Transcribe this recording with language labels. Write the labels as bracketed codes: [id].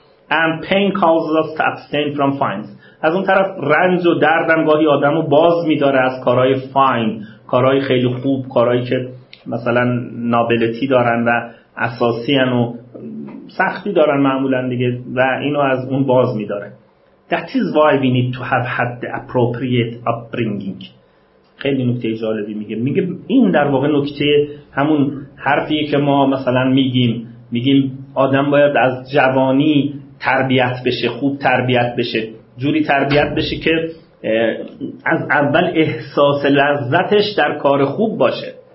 [en] and pain causes us to abstain from fines، [fa] از اون طرف رنج و دردم گاهی آدم رو باز میداره از کارهای fine، کارهای خیلی خوب، کارهایی که مثلا نابلتی دارن و اساسی هن و سختی دارن معمولا دیگه، و اینو از اون باز میداره. [en] That is why we need to have had the appropriate upbringing. [fa] خیلی نکته جالبی میگه. میگه این در واقع نکته همون حرفیه که ما مثلا میگیم، میگیم آدم باید از جوانی تربیت بشه، خوب تربیت بشه، جوری تربیت بشه که از اول احساس لذتش در کار خوب باشه.